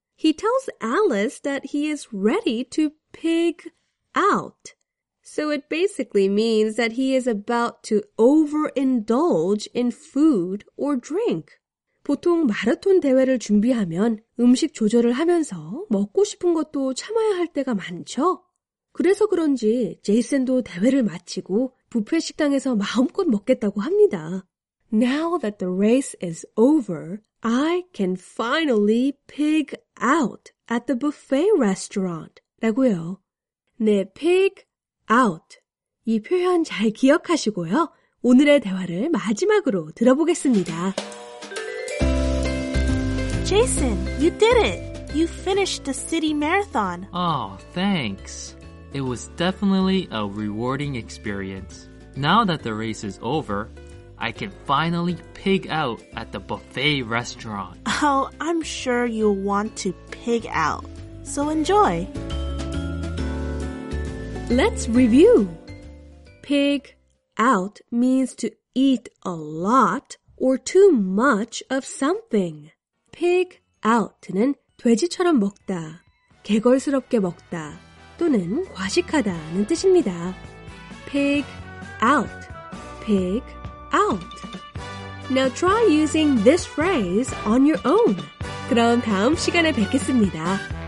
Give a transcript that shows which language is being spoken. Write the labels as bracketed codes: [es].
[en] He tells Alice that he is ready to pig out. So it basically means that he is about to overindulge in food or drink. [ko] 보통 마라톤 대회를 준비하면 음식 조절을 하면서 먹고 싶은 것도 참아야 할 때가 많죠. 그래서 그런지 제이슨도 대회를 마치고 뷔페 식당에서 마음껏 먹겠다고 합니다. [en] Now that the race is over, I can finally pig out at the buffet restaurant. [ko] 라고요. 네, pig out. 이 표현 잘 기억하시고요. 오늘의 대화를 마지막으로 들어보겠습니다. [en] Jason, you did it! You finished the city marathon. Oh, thanks. It was definitely a rewarding experience. Now that the race is over, I can finally pig out at the buffet restaurant. Oh, I'm sure you'll want to pig out. So enjoy! Let's review. Pig out means to eat a lot or too much of something. [ko] Pig out는 돼지처럼 먹다, 개걸스럽게 먹다, 또는 과식하다는 뜻입니다. [en] Pig out. Pig out. Now try using this phrase on your own. [ko] 그럼 다음 시간에 뵙겠습니다.